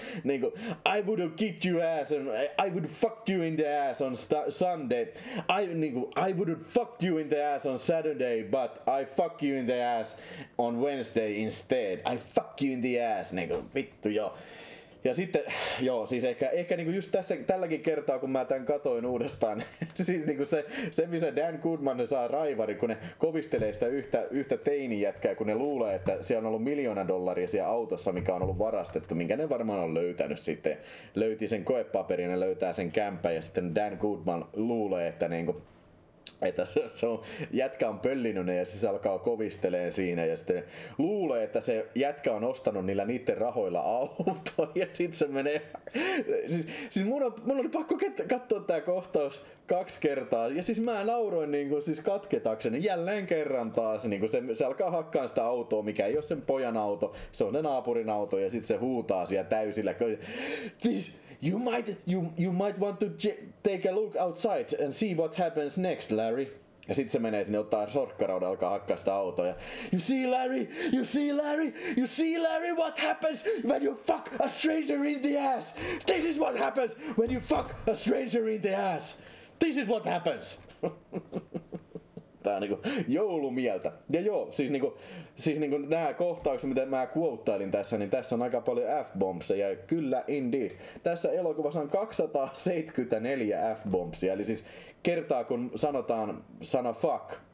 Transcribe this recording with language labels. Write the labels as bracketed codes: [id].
[fi] Niin kuin, [en] I would kick your ass and I would fuck you in the ass on Sunday. I would fuck you in the ass on Saturday, but I fuck you in the ass on Wednesday instead. I fuck you in the ass, [fi] niin kuin, vittu joo. Ja sitten, joo, siis ehkä niinku just tässä, tälläkin kertaa, kun mä tämän katoin uudestaan, siis niinku se, missä Dan Goodman saa raivari, kun ne kovistelee sitä yhtä teinijätkää, kun ne luulee, että siellä on ollut $1,000,000 siellä autossa, mikä on ollut varastettu, minkä ne varmaan on löytänyt sitten. Löyti sen koepaperin ja löytää sen kämpän, ja sitten Dan Goodman luulee, että niinku, että se on, jätkä on pöllinyt ne ja se alkaa kovistelemaan siinä ja sitten luulee, että se jätkä on ostanut niillä niiden rahoilla auto ja sit se menee. Siis mun oli pakko katsoa tää kohtaus kaksi kertaa ja siis mä nauroin niinku siis katketakseni jälleen kerran taas niinku se alkaa hakkaan sitä autoa, mikä ei ole sen pojan auto, se on ne naapurin auto, ja sit se huutaa siellä täysillä. [en] You might want to take a look outside and see what happens next, Larry. [fi] Ja sit se menee sinne, ottaa sorkkaraudan, alkaa hakkaa sitä autoa ja [en] you see, Larry? You see, Larry? You see, Larry, what happens when you fuck a stranger in the ass? This is what happens when you fuck a stranger in the ass. This is what happens. [fi] Tää on niinku joulumieltä. Ja joo, siis niinku nää kohtaukset, mitä mä quotailin tässä, niin tässä on aika paljon F-bombsia, ja kyllä indeed. Tässä elokuvassa on 274 F-bombsia, eli siis kertaa kun sanotaan sana fuck.